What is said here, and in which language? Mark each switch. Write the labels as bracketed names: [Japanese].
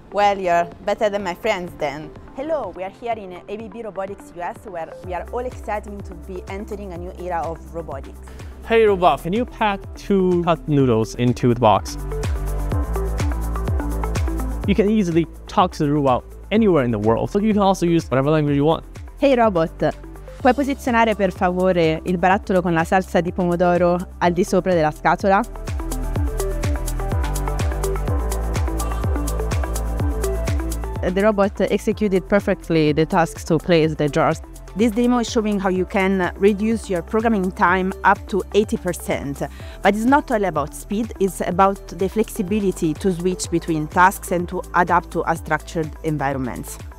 [English] Well, you're better than my friends then. Hello, we are here in ABB Robotics US, where we are all excited to be entering a new era of robotics. Hey robot, can you pack two hot noodles into the box? You can easily talk to the robot anywhere in the world, so you can also use whatever language you want. Hey robot, [Italian] puoi posizionare per favore il barattolo con la salsa di pomodoro al di sopra della scatola? [English] The robot executed perfectly the task to place the jars. This demo is showing how you can reduce your programming time up to 80%. But it's not all about speed, it's about the flexibility to switch between tasks and to adapt to unstructured environments.